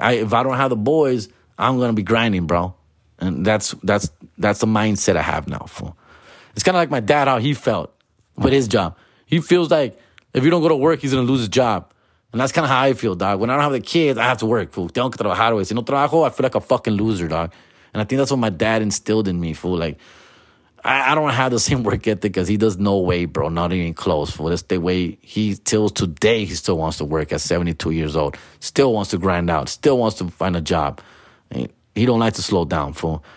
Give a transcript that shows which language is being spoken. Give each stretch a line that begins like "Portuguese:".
English: If I don't have the boys, I'm going to be grinding, bro. And that's the mindset I have now, fool. It's kind of like my dad, how he felt. With his job. He feels like if you don't go to work, he's going to lose his job. And that's kind of how I feel, dog. When I don't have the kids, I have to work, fool.
Spanish: Tengo que trabajar, wey. Si no trabajo,
English: I feel like a fucking loser, dog. And I think that's what my dad instilled in me, fool. Like, I don't have the same work ethic as he does. No way, bro. Not even close, fool. That's the way he till today. He still wants to work at 72 years old. Still wants to grind out. Still wants to find a job. He don't like to slow down, fool.